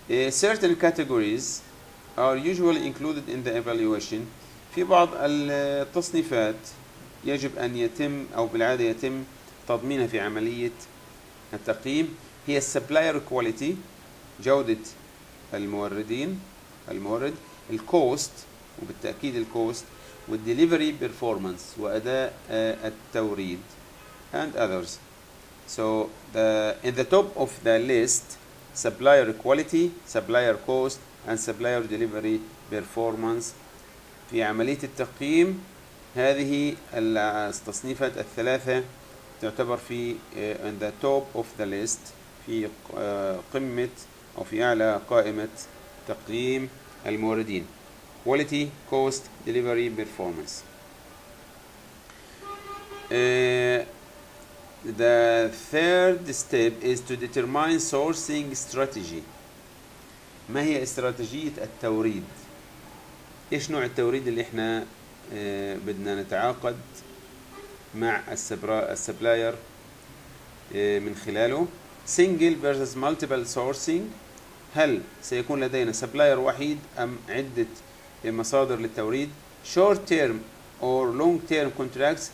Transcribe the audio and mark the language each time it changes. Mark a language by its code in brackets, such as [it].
[en] Certain categories are usually included in the evaluation. [ar] في بعض التصنيفات يجب أن يتم أو بالعادة يتم تضمينها في عملية التقييم، هي [en] supplier quality [ar] جودة الموردين، المورد، الكوست وبالتأكيد الكوست، والدليفري بيرفورمانس وأداء التوريد، [en] and others. So in the top of the list, supplier quality, supplier cost, and supplier delivery performance. [ar] في عملية التقييم هذه التصنيفات الثلاثة تعتبر في [en] in the top of the list، [ar] في قمة أو في أعلى قائمة تقييم الموردين. [en] Quality, cost, delivery, performance. The third step is to determine sourcing strategy. [ar] ما هي استراتيجية التوريد؟ إيش نوع التوريد اللي إحنا بدنا نتعاقد مع السبلاير من خلاله؟ [en] Single versus multiple sourcing. [ar] هل سيكون لدينا سبلاير وحيد أم عدة مصادر للتوريد؟ [en] Short term or long term contracts.